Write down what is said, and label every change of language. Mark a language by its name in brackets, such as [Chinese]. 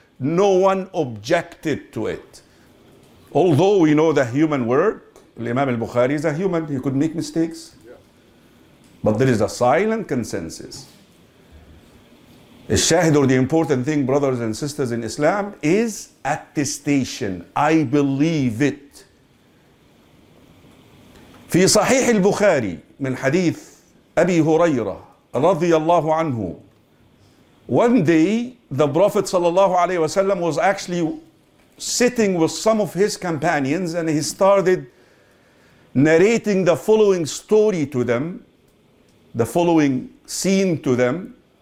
[English] No one objected to it. Although we know the human word, Imam al-Bukhari is a human, he could make mistakes. But there is a silent consensus. الشاهد, or the important thing, brothers and sisters in Islam, is attestation. I believe it. [Arabic] في صحيح البخاري من حديث أبي هريرة رضي الله عنه. [English] One day, the Prophet صلى الله عليه وسلم was actually sitting with some of his companions and he started narrating the following story to them, the following scene to them.